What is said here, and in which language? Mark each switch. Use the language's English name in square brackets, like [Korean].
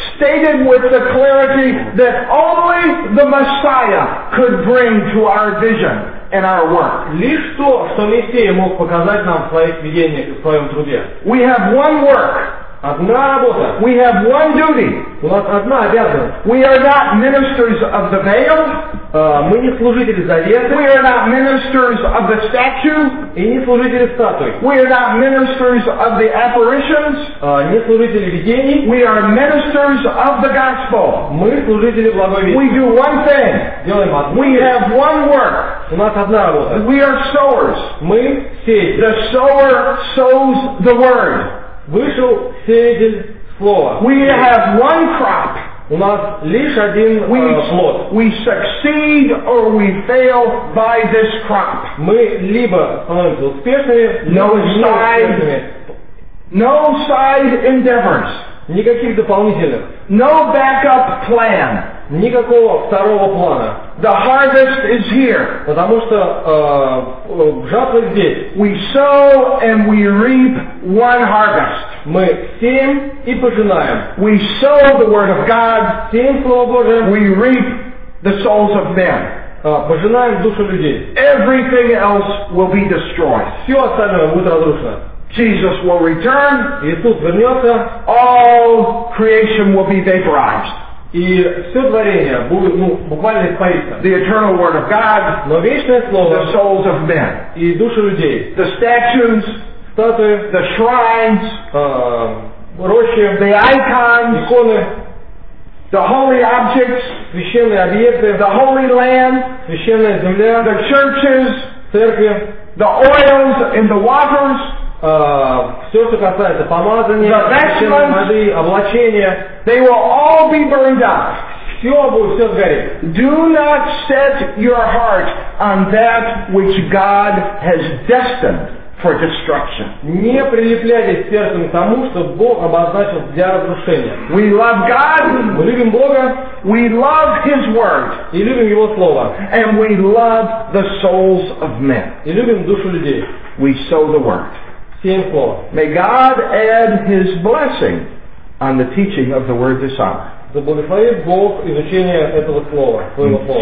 [English] Stated with the clarity that only the Messiah could bring to our vision and our work. [Russian] Лишь то, что Мессия мог показать нам в своих видениях и в своем труде. [English] We have one work. [Russian] Одна работа. [English] We have one duty. [Russian] У нас одна обязанность. [English] We are not ministers of the veil. [Russian] Мы не служители завета. [English] We are not ministers of the statue. [Russian] И не служители статуи. [English] We are not ministers of the apparitions. [Russian] Не служители видений. [English] We are ministers of the gospel. [Russian] Мы служители благой вести. [English] We do one thing. [Russian] Делаем одно. [English] We have one work. [Russian] У нас одна работа. [English] We are sowers. [Russian] Мы сеятели. [English] The sower sows the word. [Russian] Вышел сеятель слова. [English] We have one crop. [Russian] У нас лишь один плод. [English] We succeed or we fail by this crop. [Russian] Мы либо становимся успешными, либо неуспешными. [English] No side endeavors. [Russian] Никаких дополнительных. [English] No backup plan. [Russian] Никакого второго плана. [English] The harvest is here. [Russian] Потому что жатва здесь. [English] We sow and we reap one harvest. [Russian] Мы сеем и пожинаем. [English] We sow the word of God. [Russian] Сеем Слово Божие. [English] We reap the souls of men. [Russian] Пожинаем души людей. [English] Everything else will be destroyed. [Russian] Все остальное будет разрушено. [English] Jesus will return. [Russian] Иисус вернется. [English] All creation will be vaporized. [Russian] И все творение будет, ну, буквально испариться. [English] The eternal word of God. [Russian] Но вечное слово. [English] The souls of men. [Russian] И души людей. [English] The statues. [Russian] Статуи. [English] The shrines. [Russian] Рощи. [English] The icons. [Russian] Иконы. [English] The holy objects. [Russian] Священные объекты. [English] The holy land. [Russian] Священная земля. [English] The churches. [Russian] Церкви. [English] The oils and the waters. [Russian] Все, что касается помазания, священной воды, облачения, [English] they will all be burned up. [Russian] Все будет, все сгорит. [English] Do not set your heart on that which God has destined for destruction. [Russian] Не прилепляйте сердцем к тому, что Бог обозначил для разрушения. [English] We love God. [Russian] Мы любим Бога. [English] We love His word. [Russian] И любим Его слово. [English] And we love the souls of men. [Russian] И любим душу людей. [English] We sow the word. May God add His blessing on the teaching of the word this hour. [Russian] Да благословит Бог изучение этого слова, своего слова.